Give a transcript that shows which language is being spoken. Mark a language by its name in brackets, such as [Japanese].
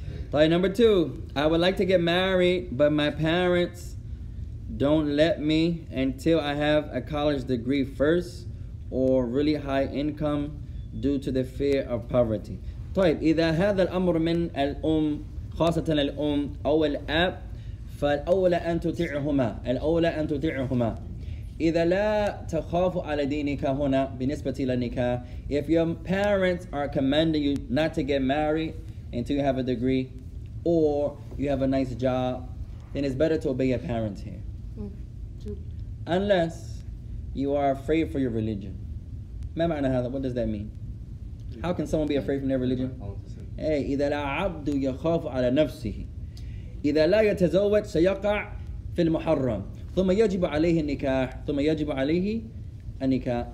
[English] Thought number two, I would like to get married, but my parents don't let me until I have a college degree first or really high income due to the fear of poverty. [Arabic] طيب إذا هذا الأمر من الأم خاصة الأم أو الأب فالأولى أن تطيعهما الأولى أن تطيعهما إذا لا تخاف على دينك هنا بالنسبة للنكاح. [English] If your parents are commanding you not to get married until you have a degree or you have a nice job, then it's better to obey your parents here. Unless you are afraid for your religion. [Arabic] ما معنى هذا? [English] What does that mean? How can someone be afraid from their religion? [Arabic] Hey, إذا لا عبد يخاف على نفسه إذا لا يتزوج سيقع في المحرم ثم يجب عليه النكاح ثم يجب عليه النكاح.